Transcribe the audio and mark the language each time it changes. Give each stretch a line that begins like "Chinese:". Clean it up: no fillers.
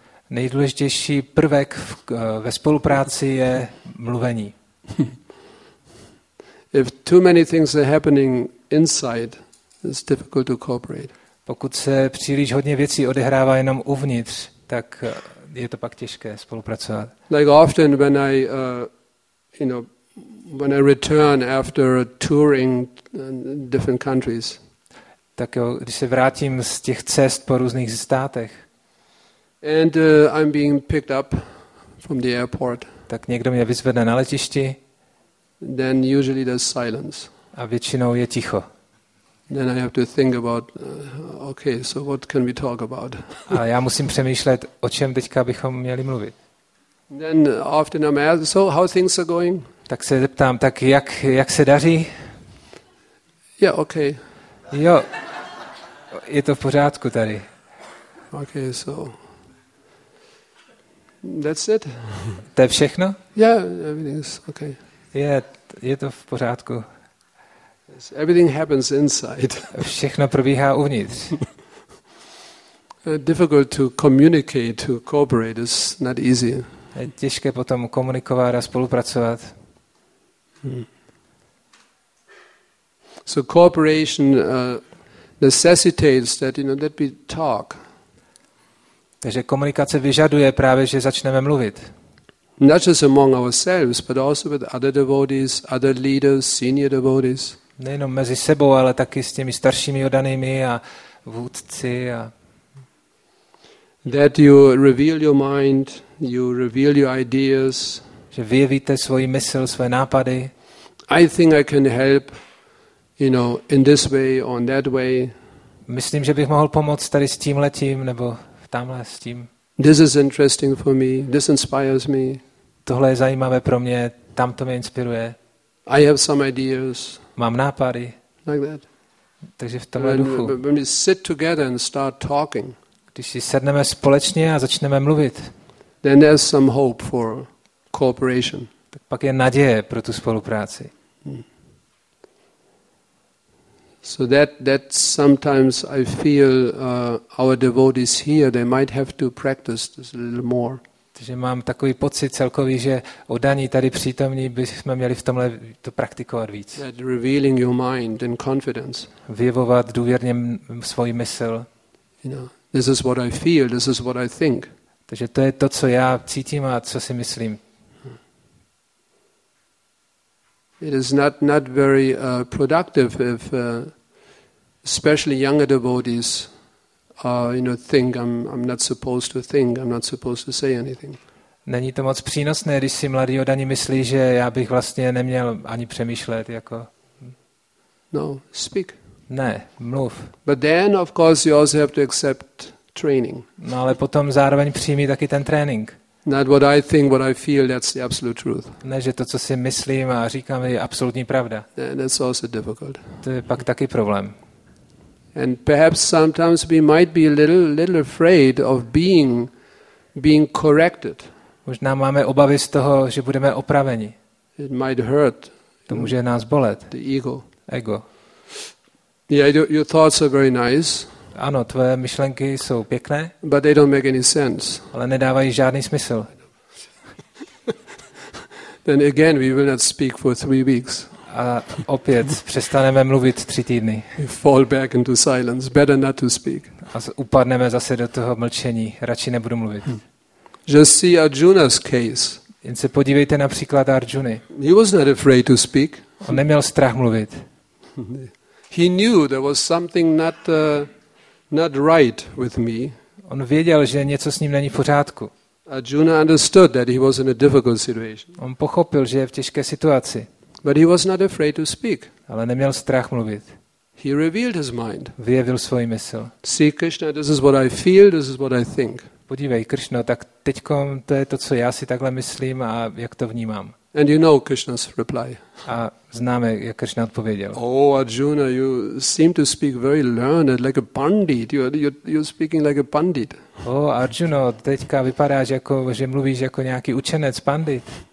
Czech: Nejdůležitější prvek ve spolupráci je mluvení.
English: If too many things are happening inside, it's difficult to cooperate.
Czech: Pokud se příliš hodně věcí odehrává jenom uvnitř, tak je to pak těžké spolupracovat.
English: Like often when I when I return after touring in different countries.
Czech: Tak jo, když se vrátím z těch cest po různých státech.
English: And I'm being picked up from the airport.
Czech: Tak někdo mě vyzvedne na letišti.
English: Then usually there's silence.
Czech: A většinou je ticho.
English: Then I have to think about okay, so what can we talk about?
Czech: A já musím přemýšlet, o čem teďka bychom měli mluvit.
English: Then often I'm asked, so how things are going?
Czech: Tak se zeptám, tak jak se daří?
English: Yeah, okay.
Czech: Jo. Je to v pořádku tady.
English: Okay, so that's it.
Czech: To je všechno?
English: Yeah, everything is okay.
Czech: Je to v pořádku.
English: Yes, everything happens inside.
Czech: Všechno probíhá uvnitř.
English: Difficult to communicate, to cooperate is not easy.
Czech: Je těžké potom komunikovat a spolupracovat.
English: So cooperation necessitates that, you know, that we talk.
Czech: Takže komunikace vyžaduje právě, že začneme mluvit.
English: Not just among ourselves, but also with other devotees, other leaders, senior devotees.
Czech: Nejenom mezi sebou, ale taky s těmi staršími odanými a vůdci. A
English: that you reveal your mind, you reveal your ideas.
Czech: Že vyjevíte svoji mysl, své nápady.
English: I think I can help, you know, in this way or in that way.
Czech: Myslím, že bych mohl pomoct tady s tím letím nebo tamhle s tím.
English: This is interesting for me. This inspires me.
Czech: Tohle je zajímavé pro mě. Tam to mě inspiruje.
English: I have some ideas.
Czech: Mám nápady.
English: Like that.
Czech: Takže v tomhle duchu.
English: When we sit together and start talking.
Czech: Když si sedneme společně a začneme mluvit.
English: Then there's some hope for cooperation.
Czech: Tak pak je naděje pro tu spolupráci.
English: So that sometimes I feel our devotees here, they might have to practice this a little more.
Czech: Takže mám takový pocit celkový, že odaní tady přítomní bychom měli v tomhle to praktikovat víc.
English: That revealing your mind and confidence.
Czech: Vyjevovat důvěrně svoji mysl.
English: You know, this is what I feel, this is what I think.
Czech: Takže to je to, co já cítím a co si myslím.
English: It is not very productive if especially younger devotees think I'm not supposed to think, I'm not supposed to say anything.
Czech: Není to moc přínosné, když si mladý odaní myslí, že já bych vlastně neměl ani přemýšlet jako.
English: No, speak.
Czech: Ne, mluv.
English: But then of course you also have to accept training.
Czech: No, ale potom zároveň přijmí taky ten trénink.
English: Not what I think, what I feel, that's the absolute truth.
Czech: Ne, že to, co si myslím a říkám, je absolutní pravda.
English: And that's also difficult.
Czech: To je pak taky problém.
English: And perhaps sometimes we might be a little afraid of being corrected.
Czech: Možná máme obavy z toho, že budeme opraveni.
English: It might hurt.
Czech: To může nás bolet.
English: The ego.
Czech: Ego.
English: Yeah, your thoughts are very nice.
Czech: Ano, tvoje myšlenky jsou pěkné.
English: But they don't make any sense.
Czech: Ale nedávají žádný smysl.
English: Then again, we will not speak for 3 weeks.
Czech: A opět přestaneme mluvit 3 týdny.
English: You fall back into silence. Better not to speak.
Czech: A upadneme zase do toho mlčení. Radši nebudu mluvit.
English: Just see Arjuna's case.
Czech: Jen se podívejte například Arjuny.
English: He was not afraid to speak.
Czech: On neměl strach mluvit.
English: He knew there was something not right with me.
Czech: On věděl, že něco s ním není v pořádku.
English: Arjuna understood that he was in a difficult situation.
Czech: On pochopil, že je v těžké situaci.
English: But he was not afraid to speak.
Czech: Ale neměl strach mluvit.
English: He revealed his mind.
Czech: Vyjevil svoji mysl.
English: See, Krishna, this is what I feel, this is what I think.
Czech: Podívej, Krishna, tak teďkom to je to, co já si takhle myslím a jak to vnímám.
English: And you know Krishna's reply.
Czech: A známe, jak Krishna odpověděl.
English: Oh Arjuna, you seem to speak very learned, like a pandit. You're speaking like a pandit.
Czech: Oh Arjuna, teďka vypadáš jako, že mluvíš jako nějaký učenec, pandit.